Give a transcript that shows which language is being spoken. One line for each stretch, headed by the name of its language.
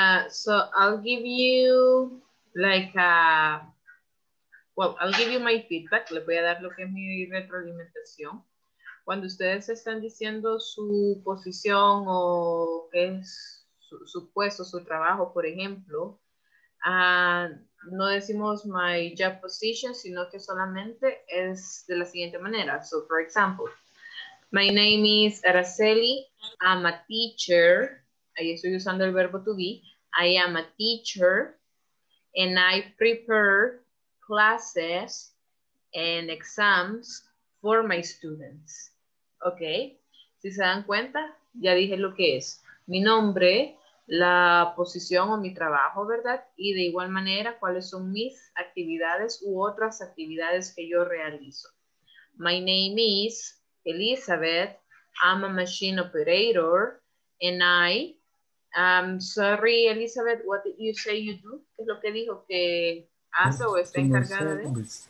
English: So I'll give you I'll give you my feedback.
Spanish: Le voy a dar lo que es mi retroalimentación. Cuando ustedes están diciendo su posición o qué es su puesto, su trabajo, por ejemplo, no decimos
English: my job position,
Spanish: sino que solamente es de la siguiente manera.
English: So, for example, My name is Araceli. I'm a teacher.
Spanish: Ahí estoy usando el verbo to be.
English: I am a teacher and I prepare classes and exams for my students.
Spanish: Ok, si se dan cuenta, ya dije lo que es. Mi nombre, la posición o mi trabajo, ¿verdad? Y de igual manera, ¿cuáles son mis actividades u otras actividades que yo realizo?
English: My name is Elizabeth. I'm a machine operator. And I, sorry, Elizabeth, what did you say you do?
Spanish: ¿Qué es lo que dijo que hace o está encargada de?